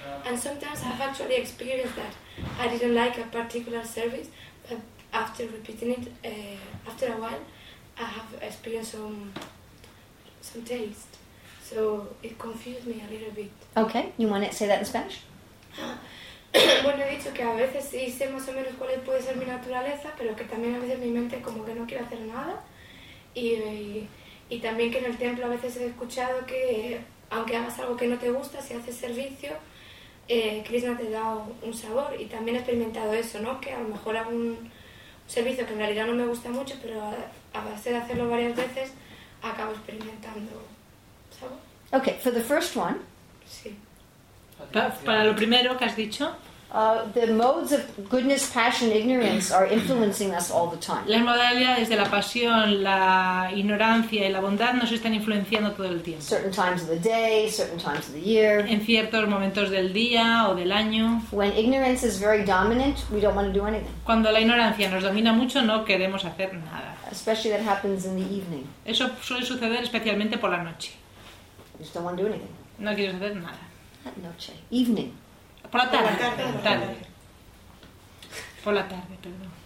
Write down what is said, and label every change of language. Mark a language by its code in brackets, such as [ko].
[en] And sometimes I've actually experienced that. I didn't like a particular service, but after repeating it, after a while, I have experienced some taste. So it confused me a little bit. Okay, you want to say that in Spanish? [es] Bueno, he dicho que a veces sí sé más o menos cuál puede ser mi naturaleza, pero que también a veces mi mente como que no quiere hacer nada. Y también que en el templo a veces he escuchado que aunque hagas algo que no te gusta, si haces servicio, Krishna te da un sabor. Y también he experimentado eso, ¿no? Que a lo mejor hago un servicio que en realidad no me gusta mucho, pero a base de hacerlo varias veces, acabo experimentando sabor. [en] Ok, for the first one. [es] Sí. Para lo primero que has dicho. [en] The modes of goodness, passion, ignorance are influencing us all the time. [es] Las modalidades de la pasión, la ignorancia y la bondad nos están influenciando todo el tiempo. [en] Certain times of the day, certain times of the year. [es] En ciertos momentos del día o del año. [en] When ignorance is very dominant, we don't want to do anything. [es] Cuando la ignorancia nos domina mucho, no queremos hacer nada. [en] especially that happens in the evening. [es] Eso suele suceder especialmente por la noche. [en] You just don't want to do anything. [es] No quieres hacer nada. [en] Not noche, evening. [es] Por la tarde. Por la tarde, perdón.